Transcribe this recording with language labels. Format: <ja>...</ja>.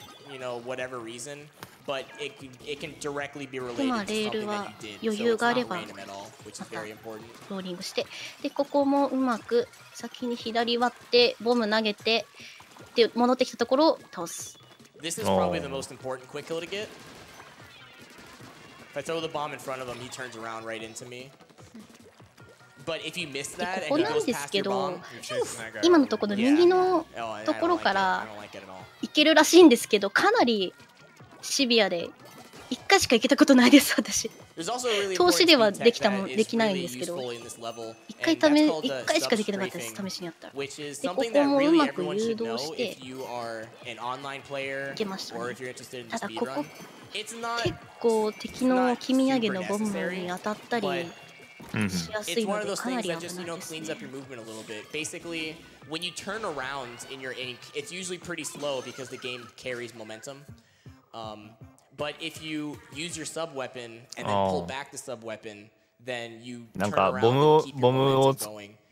<ja>今レールは余裕があればまたローリングして、でここもうまく先に左割ってボム投げてで戻ってきたところを倒す。</ja> <en>This is probably the most important quick kill to get. If I throw the bomb in front of him, he turns around right into me. But if you miss that,</en> <ja>ここなんですけど、今のところ右のところから行けるらしいんですけど、かなりシビアで、一回しか行けたことないです、私。投資ではできたもできないんですけど、一回ため、一回しかできなかったです、試しにやったら。で、ここもうまく誘導して、行けましたね。ただ、ここ、結構敵の君上げのボムに当たったり、</ja> <en>It's one of those things that just, you know, cleans up your movement a little bit. Basically, when you turn around in your ink, it's usually pretty slow because the game carries momentum. But if you use your sub weapon and then pull back the sub weapon, then you turn around and keep your momentum going.</en>